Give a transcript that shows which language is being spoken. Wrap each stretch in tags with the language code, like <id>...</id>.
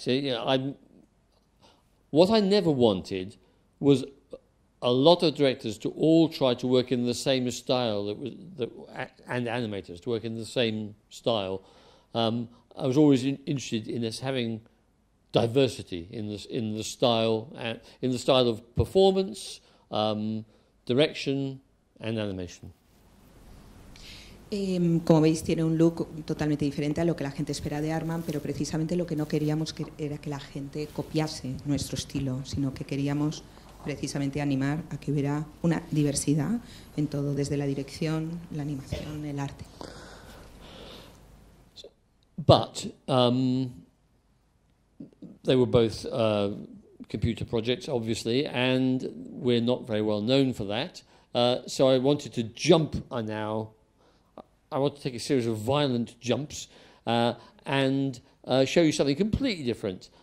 <en>So, you know, what I never wanted was a lot of directors to all try to work in the same style and animators to work in the same style. I was always interested in us having diversity in the style of performance, direction, and animation.</en> <es>Como veis, tiene un look totalmente diferente a lo que la gente espera de Aardman, pero precisamente lo que no queríamos era que la gente copiase nuestro estilo, sino que queríamos precisamente animar a que hubiera una diversidad en todo, desde la dirección, la animación, el arte.</es> <en>But they were both computer projects, obviously, and we're not very well known for that. So I wanted to jump now. I want to take a series of violent jumps and show you something completely different.</en>